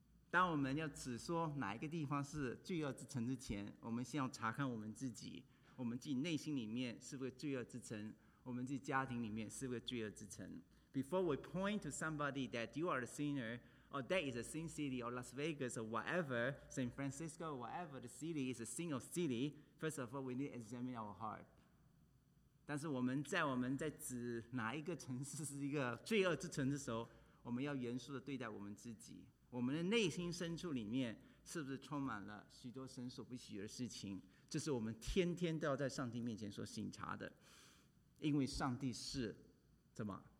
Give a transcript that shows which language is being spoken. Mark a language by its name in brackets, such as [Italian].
[Chinese] 当我们要指说哪一个地方是罪恶之城之前，我们先要查看我们自己，我们自己内心里面是不是罪恶之城，我们自己家庭里面是不是罪恶之城。 [English] Before we point to somebody that you are a sinner, or that is a sin city, or Las Vegas, or whatever, San Francisco, whatever the city is a sin city, first of all, we need to examine our heart. [Chinese] 但是我们在指哪一个城市是一个罪恶之城的时候，我们要严肃地对待我们自己。我们的内心深处里面是不是充满了许多神所不喜悦的事情？这是我们天天都要在上帝面前所省察的。因为上帝是怎么？